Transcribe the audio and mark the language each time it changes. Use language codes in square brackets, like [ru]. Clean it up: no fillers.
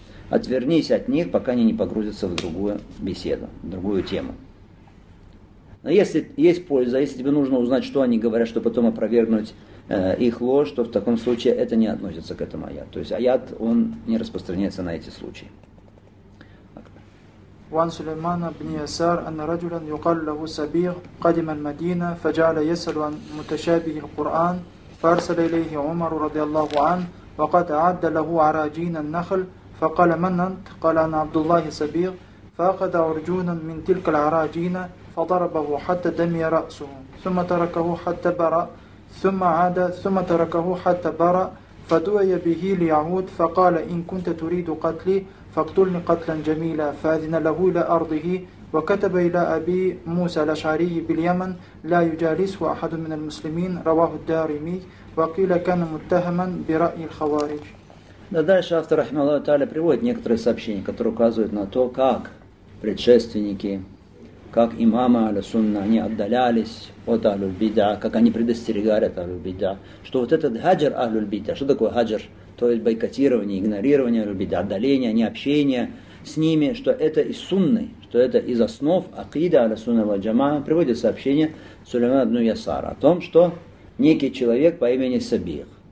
[ru] Отвернись от них, пока они не погрузятся в другую беседу, в другую тему. Но если есть польза, если тебе нужно узнать, что они говорят, чтобы потом опровергнуть их ложь, то в таком случае это не относится к этому аяту. То есть аят, он не распространяется на эти случаи. [ar] وعن سليمان بن يسار أن رجلا يقال له سبيغ قدم المدينة فجعل يسأل عن متشابه القرآن فأرسل إليه عمر رضي الله عنه وقد عد له عراجين النخل فقال من أنت؟ قال أنا عبد الله سبيغ فأخذ عرجونا من تلك العراجين فضربه حتى دمي رأسه ثم تركه حتى برأ ثم عاد ثم تركه حتى برأ فدعي به ليعود فقال إن كنت تريد قتلي فاقتلني قتلا جميلا فأذن له إلى أرضه وكتب إلى أبي موسى الأشعري باليمن لا يجالسه أحد من المسلمين رواه الدارمي وقيل كان متهما برأي الخوارج. [ru] Да дальше автор Рахмалла Таля приводит некоторые сообщения, которые указывают на то, как предшественники, как имамы Аль-Сунна, они отдалялись от Аль-Бида, как они предостерегали от Аль-Бида, что вот этот хаджр Аль-Бида, что такое хаджр, то есть бойкотирование, игнорирование Аль-Бида, отдаление, необщение с ними, что это из Сунны, что это из основ акида Аль-Сунна Валь-Джама, приводит сообщение Сулеймана ибн Ясара о том, что некий человек по имени Сабих.